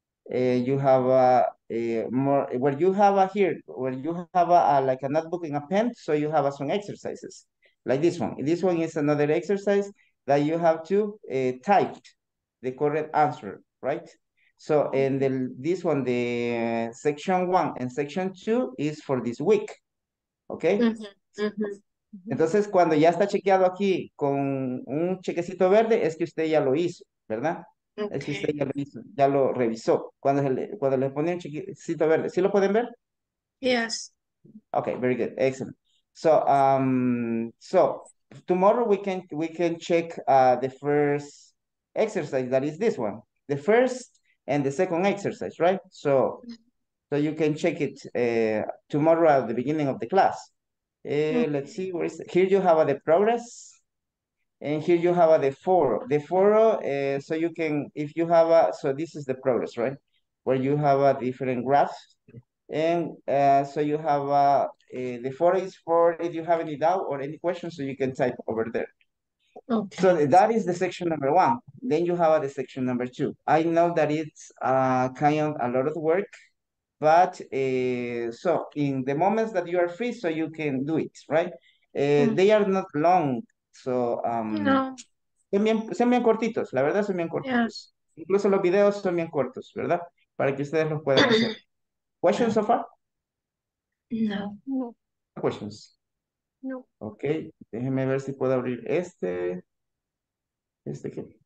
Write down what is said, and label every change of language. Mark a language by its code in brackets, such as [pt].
[en] You have a notebook and a pen, so you have some exercises. Like this one. This one is another exercise that you have to type the correct answer, right? So, and this one, the section one and section two is for this week, okay? Mm-hmm. [es] Entonces, cuando ya está chequeado aquí con un chequecito verde, es que usted ya lo hizo, ¿verdad? [en] Okay. [es] Es que usted ya lo hizo, ya lo revisó. Cuando le ponen un chequecito verde, ¿sí lo pueden ver? [en] Yes. Okay, very good, excellent. So so tomorrow we can check the first exercise, that is this one, the first and the second exercise, right? So you can check it tomorrow at the beginning of the class. Let's see, where is it? Here you have the progress, and here you have the four, so you can, if you have so this is the progress, right, where you have different graphs. And so you have The forum is for if you have any doubt or any questions, so you can type over there. Okay. So that is the section number one. Then you have the section number two. I know that it's kind of a lot of work, but so in the moments that you are free, so you can do it, right? They are not long, so no. [es] Son bien cortitos, la verdad son bien cortitos. [en] Yes. [es] Incluso los videos son bien cortos, ¿verdad? Para que ustedes los puedan hacer. [en] ¿Questions so far? No. No questions. No. [es] Ok, déjenme ver si puedo abrir este. ¿Este qué?